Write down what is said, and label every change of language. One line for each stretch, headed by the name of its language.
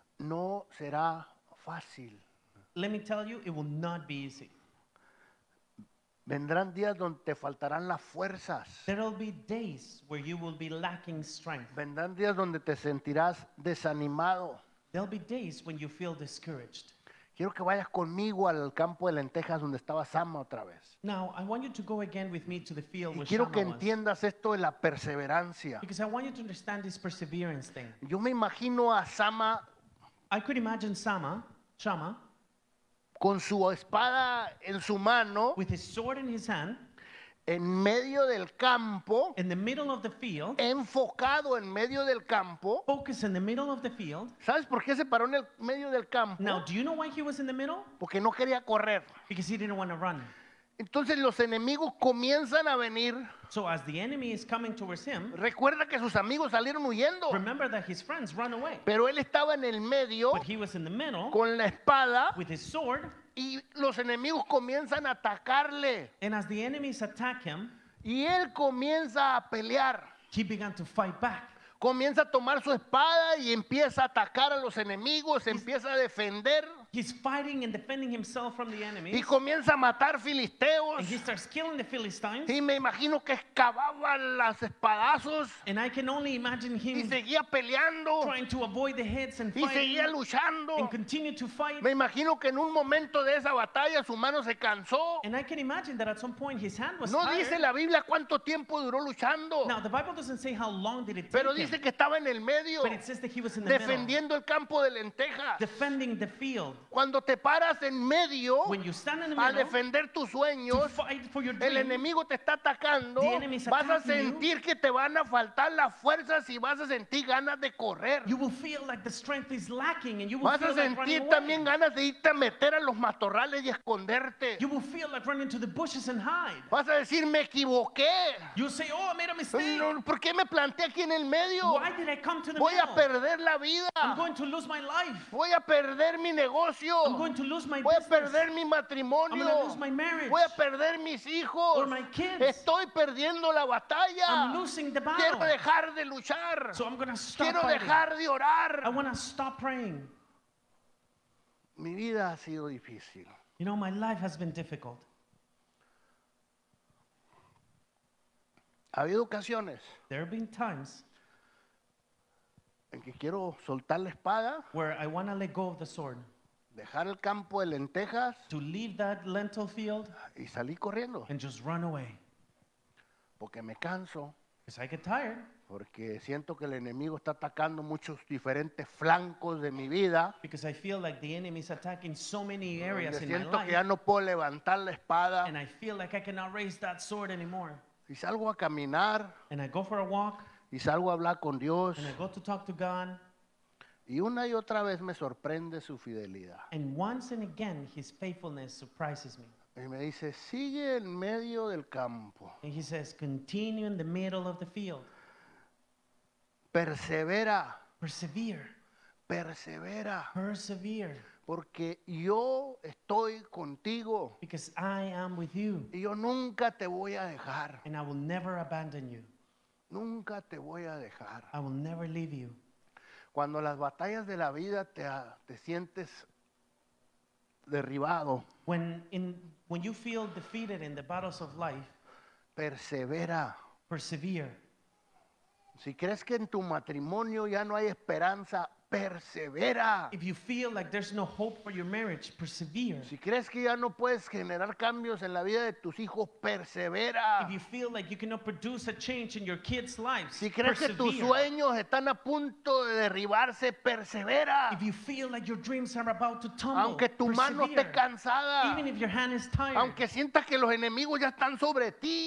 Spanish: no será fácil.
English: Let me tell you, it will not be easy.
Spanish: Vendrán días donde te faltarán las fuerzas.
English: There will be days where you will be lacking strength.
Spanish: Vendrán días donde te sentirás desanimado.
English: There will be days when you feel discouraged.
Spanish: Quiero que vayas conmigo al campo de lentejas donde estaba Sama otra vez.
English: Now, I want you to go again with me to the field where Sama was.
Spanish: que entiendas esto de la perseverancia.
English: Because I want you to understand this perseverance thing.
Spanish: Yo me imagino a Sama.
English: I could imagine Sama, Shama,
Spanish: con su espada en su mano,
English: with his sword in his hand,
Spanish: en medio del campo,
English: in the middle of the field,
Spanish: enfocado en medio del campo,
English: focused in the middle of the field.
Spanish: ¿Sabes por qué se paró en el medio del campo?
English: Now, do you know why he was in the middle?
Spanish: Porque no quería correr.
English: Because he didn't want to run.
Spanish: Entonces los enemigos comienzan a venir.
English: So as the enemy is coming towards him,
Spanish: recuerda que sus amigos salieron huyendo.
English: Remember that his friends ran away.
Spanish: Pero él estaba en el medio,
English: but he was in the middle,
Spanish: con la espada,
English: with his sword,
Spanish: y los enemigos comienzan a atacarle.
English: And as the enemies attack him,
Spanish: y él comienza a pelear.
English: He began to fight back.
Spanish: Comienza a tomar su espada y empieza a atacar a los enemigos, empieza a defender.
English: He's fighting and defending himself from the enemies.
Spanish: Y comienza a matar filisteos.
English: And he starts killing the Philistines.
Spanish: Y me imagino que excavaba las espadazos.
English: And I can only imagine him.
Spanish: Y seguía peleando.
English: Trying to avoid the hits and
Spanish: y
English: fighting.
Spanish: Y seguía luchando.
English: And continue to fight.
Spanish: Me imagino que en un momento de esa batalla su mano se cansó.
English: And I can imagine that at some point his hand was
Spanish: no
English: tired.
Spanish: Dice la Biblia cuánto tiempo duró luchando.
English: Now the Bible doesn't say how long did it take.
Spanish: Pero dice
English: him.
Spanish: Que estaba en el medio.
English: But it says that he was in the
Spanish: defendiendo
English: middle,
Spanish: el campo de lentejas.
English: Defending the field.
Spanish: Cuando te paras en medio,
English: when you stand in the middle,
Spanish: a defender tus sueños,
English: to fight for your dream,
Spanish: el enemigo te está atacando, vas a sentir
English: you,
Spanish: que te van a faltar las fuerzas y vas a sentir ganas de correr.
English: You will feel like the strength is lacking and you will
Spanish: vas
English: feel
Spanish: a sentir
English: like
Spanish: también
English: away,
Spanish: ganas de irte a meter a los matorrales y esconderte.
English: You will feel like running to the bushes and hide.
Spanish: Vas a decir me equivoqué.
English: You say, oh, I made a mistake.
Spanish: No, ¿por qué me planté aquí en el medio?
English: Why did I come to the
Spanish: voy
English: middle?
Spanish: A perder la vida.
English: I'm going to lose my life.
Spanish: Voy a perder mi negocio.
English: I'm going to lose my
Spanish: voy a perder mi matrimonio.
English: I'm going to lose my marriage.
Spanish: Voy a perder mis hijos.
English: Or my kids.
Spanish: Estoy perdiendo la batalla.
English: I'm losing the battle.
Spanish: Quiero dejar de luchar.
English: So I'm going to stop
Spanish: quiero
English: fighting.
Spanish: Dejar de orar.
English: I want to stop praying.
Spanish: Mi vida ha sido difícil.
English: You know, my life has been difficult.
Spanish: Ha habido ocasiones.
English: There have been times.
Spanish: En que quiero soltar la espada.
English: Where I want to let go of the sword.
Spanish: Dejar el campo de lentejas,
English: to leave that lentil field,
Spanish: y salir corriendo,
English: and just run away,
Spanish: porque me canso,
English: because I get tired,
Spanish: Porque siento que el enemigo está atacando muchos diferentes flancos de mi vida.
English: Because I feel like the enemy is attacking so many areas in my life.
Spanish: Siento que ya no puedo levantar la espada.
English: And I feel like I cannot raise that sword anymore.
Spanish: Y salgo a caminar.
English: And I go for a walk.
Spanish: Y salgo a hablar con Dios.
English: And I go to talk to God.
Spanish: Y una y otra vez me sorprende su fidelidad.
English: And once and again his faithfulness surprises me.
Spanish: Y me dice, sigue en medio del campo.
English: And he says, continue in the middle of the field.
Spanish: Persevera.
English: Persevere.
Spanish: Persevera.
English: Persevere.
Spanish: Porque yo estoy contigo.
English: Because I am with you.
Spanish: Y yo nunca te voy a dejar.
English: And I will never abandon you.
Spanish: Nunca te voy a dejar.
English: I will never leave you.
Spanish: Cuando las batallas de la vida te sientes derribado.
English: When you feel defeated in the battles of life.
Spanish: Persevera.
English: Persevere.
Spanish: Si crees que en tu matrimonio ya no hay esperanza, persevera.
English: If you feel like there's no hope for your marriage, persevere.
Spanish: Si crees que ya no puedes generar cambios en la vida de tus hijos, persevera.
English: If you feel like you cannot produce a change in your kids' lives,
Spanish: si crees
English: persevere.
Spanish: Que tus sueños están a punto de derribarse, persevera.
English: If you feel like your dreams are about to tumble,
Spanish: aunque tu
English: persevere.
Spanish: Mano esté cansada,
English: even if your hand is tired,
Spanish: aunque sientas que los enemigos ya están sobre ti,